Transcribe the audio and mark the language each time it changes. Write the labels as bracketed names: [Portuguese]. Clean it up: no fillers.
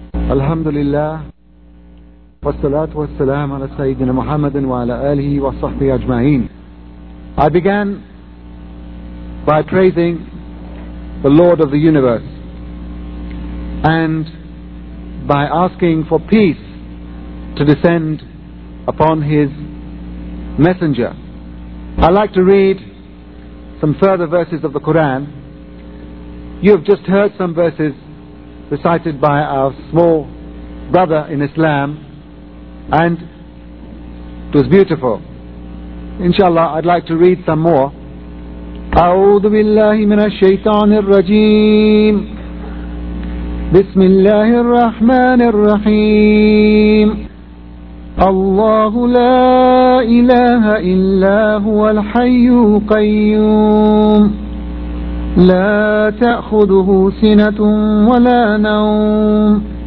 [Arabic] الحمد لله والصلاة والسلام على سيدنا محمد وعلى آله وصحبه أجمعين. [English] I began by praising the Lord of the universe and by asking for peace to descend upon his messenger. I like to read some further verses of the Quran. You have just heard some verses recited by our small brother in Islam, and it was beautiful. Inshallah, I'd like to read some more. [Arabic] أعوذ بالله من الشيطان الرجيم بسم الله الرحمن الرحيم الله لا إله إلا هو الحي القيوم لا تأخذه سنة ولا نوم